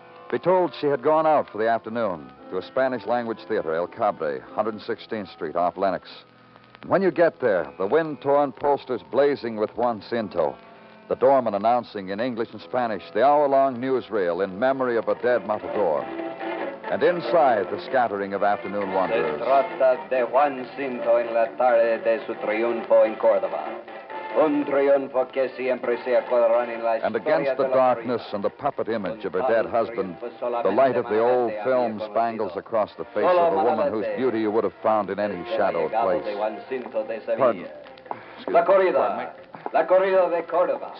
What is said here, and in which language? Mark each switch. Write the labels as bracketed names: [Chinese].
[English] Be told she had gone out for the afternoon to a Spanish-language theater, El Cabre, 116th Street, off Lenox. When you get there, the wind-torn posters blazing with Juan Cinto, the doorman announcing in English and Spanish the hour-long newsreel in memory of a dead matador, and inside the scattering of afternoon wanderers. [Spanish] Se trata de Juan Cinto en la tarde de su triunfo en Córdoba. [English] And against the darkness and the puppet image of her dead husband, the light of the old film spangles across the face of a woman whose beauty you would have found in any shadowed place. [Spanish] Pardon. La corrida. La corrida de Córdoba.